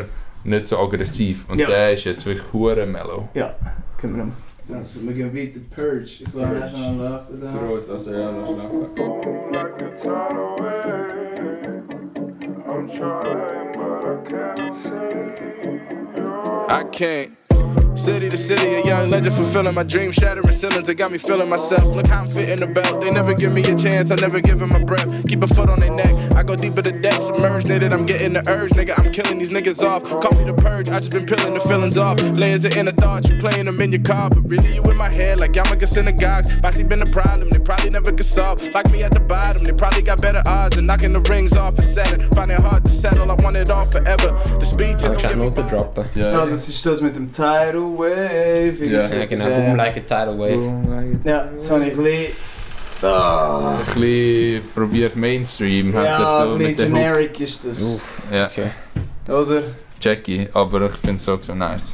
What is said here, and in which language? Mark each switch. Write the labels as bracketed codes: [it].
[de] Aber nicht so aggressiv. Und ja. Der ist jetzt wirklich verdammt mellow. Ja, können wir mal. Also, wir gehen weiter, Purge. Ich glaube, wir müssen noch laufen. Für uns, also ja, noch schlafen. [en] I can't. City to city, yo. young legend fulfilling my dreams, shattering ceilings, it got me feeling myself. Look how I'm fitting the belt, they never give me a chance, I never give them a breath. Keep a foot on their neck, I go deeper to depth, submerged in it, I'm getting the urge. Nigga, I'm killing these niggas off, call me the purge, I just been peeling the feelings off. Layers of inner thoughts, you playing them in your car, but really you in my head, like Yarmulke synagogues. Bossy been a problem, they probably never could solve. Like me at the bottom, they probably got better odds, and knocking the rings off a Saturn. Find it hard to settle, I want it all forever. The speech is a good thing. [de] Ja, oh, das ist das mit dem Tidal Wave. Ja, ja, genau. [en] Boom like a Tidal Wave. [de] Ja, so habe ich ein bisschen. Ein bisschen probiert Mainstream. Ja, so ein bisschen generic ist das. Uff, ja. Okay. Oder? Jackie, aber ich finde es so zu nice.